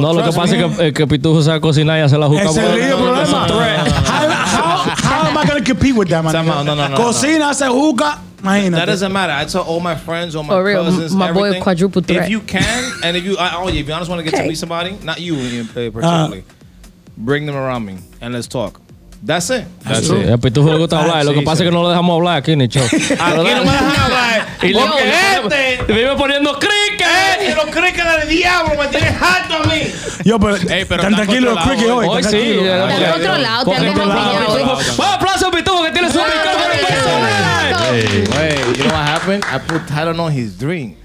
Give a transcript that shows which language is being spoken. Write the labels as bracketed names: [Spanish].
[Spanish] No, lo que pasa es que Pitujo se va a cocinar y hace la juca. Ese sería el problema. [English] How am I going to compete with that, my nigga? [Spanish] No. Cocina, hace juca. [English] That doesn't matter. I tell all my friends, all my cousins, everything. For real, my boy quadruple threat. If you can, and if you, if you honest want to get to meet somebody, not you personally, bring them around me and let's talk. That's it. That's true. [Spanish] El Pitujo le gusta hablar. Lo que pasa es que no lo dejamos hablar aquí en el show. Aquí no me dejan hablar. Y porque este vive poniendo crickets. Los crickets del diablo me tienen harto a mí. Yo, pero están tranquilos los crickets hoy. Hoy sí. Están controlados. Un aplauso a Pitujo que tiene su micrófono personal. [English] Wait, you know what happened? I put Tylenol on his drink.